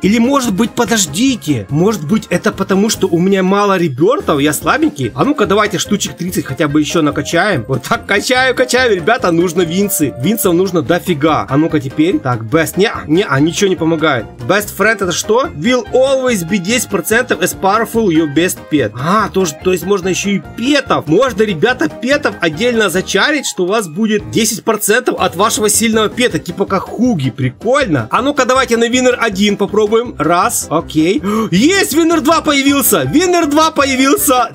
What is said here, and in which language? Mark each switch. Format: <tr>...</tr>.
<ru>Или, может быть, подождите. Может быть, это потому, что у меня мало ребертов. Я слабенький. А ну-ка, давайте штучек 30 хотя бы еще накачаем. Вот так качаю, качаю, ребята. Нужно винцы. Винцев нужно дофига. А ну-ка теперь. Так, best. Не, не, а ничего не помогает. Best friend это что?</ru> <en>Will always be 10% as powerful your best pet.</en> <ru>А, тоже, то есть можно еще и петов. Можно, ребята, петов отдельно зачарить, что у вас будет 10% от вашего сильного пета. Типа как хуги. Прикольно. А ну-ка давайте на виннер 1 попробуем. Раз. Окей. Есть, виннер 2 появился. Виннер 2 появился.</ru>